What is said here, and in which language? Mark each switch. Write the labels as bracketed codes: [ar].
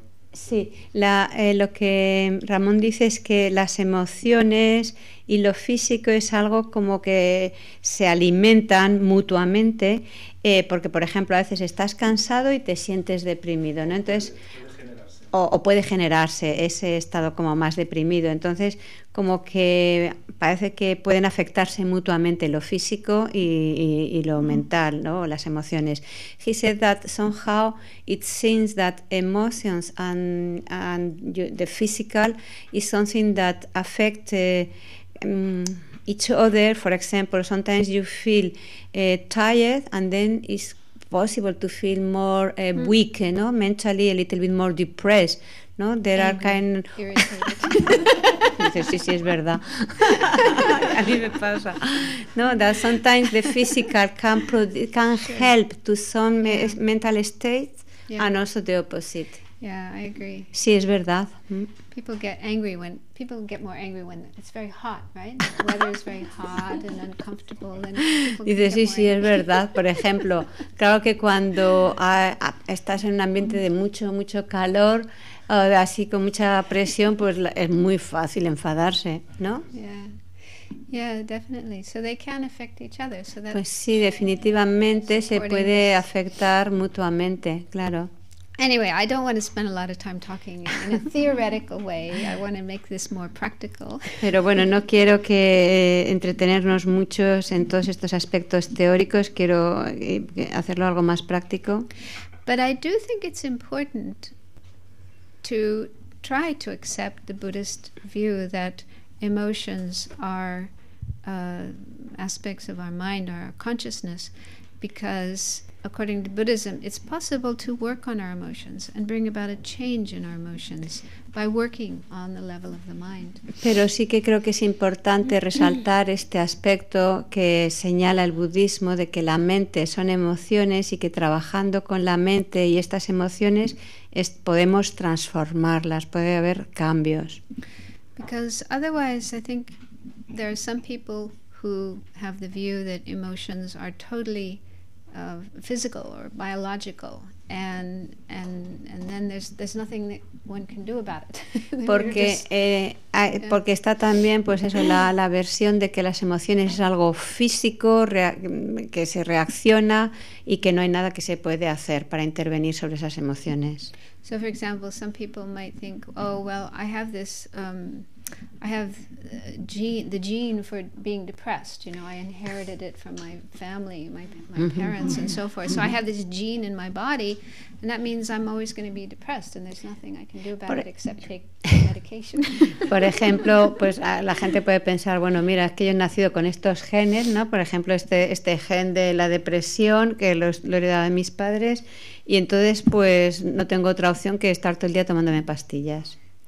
[es] Sí, lo que Ramón dice es que las emociones y lo físico es algo como que se alimentan mutuamente, porque por ejemplo a veces estás cansado y te sientes deprimido, ¿no? Entonces, puede generarse ese estado como más deprimido, entonces como que parece que pueden afectarse mutuamente lo físico y lo mental, ¿no? Las emociones. [en] He said that somehow it seems that emotions and the physical is something that affect each other. For example, sometimes you feel tired and then it's possible to feel more weak, you know, mentally a little bit more depressed, no? There angry, are kind irritated. [es] Sí, es verdad. A mí me pasa. [en] No, that sometimes the physical can help to some mental states. Yeah. And also the opposite. Yeah, I agree. [es] Sí, es verdad. [en] People get more angry when it's very hot, right? The weather is very hot and uncomfortable. And [es] dices, sí, sí, es verdad. Por ejemplo, claro que cuando estás en un ambiente de mucho, mucho calor, así con mucha presión, pues es muy fácil enfadarse, ¿no? [en] Yeah. Yeah, definitely. So they can affect each other. So that, [es] pues sí, definitivamente se puede afectar mutuamente, claro. [en] Anyway, I don't want to spend a lot of time talking in a theoretical way. I want to make this more practical. [es] Pero bueno, no quiero que entretenernos mucho en todos estos aspectos teóricos. Quiero hacerlo algo más práctico. [en] But I do think it's important to try to accept the Buddhist view that emotions are aspects of our mind or our consciousness, because according to Buddhism, it's possible to work on our emotions and bring about a change in our emotions by working on the level of the mind. [es] Pero sí que creo que es importante resaltar este aspecto que señala el budismo de que la mente son emociones y que trabajando con la mente y estas emociones podemos transformarlas, puede haber cambios. [en] Because otherwise, I think there are some people who have the view that emotions are totally physical or biological, and then there's nothing that one can do about it. [es] Porque porque está también pues eso la versión de que las emociones es algo físico que se reacciona y que no hay nada que se puede hacer para intervenir sobre esas emociones. [en] So, for example, some people might think, oh well, I have this. I have the gene for being depressed. You know, I inherited it from my family, my mm-hmm. parents, and so forth. So I have this gene in my body, and that means I'm always going to be depressed, and there's nothing I can do about it except take medication. [es] Por ejemplo, pues la gente puede pensar, bueno, mira, es que yo he nacido con estos genes, ¿no? Por ejemplo, este gen de la depresión que lo he heredado de mis padres, y entonces, pues, no tengo otra opción que estar todo el día tomándome pastillas.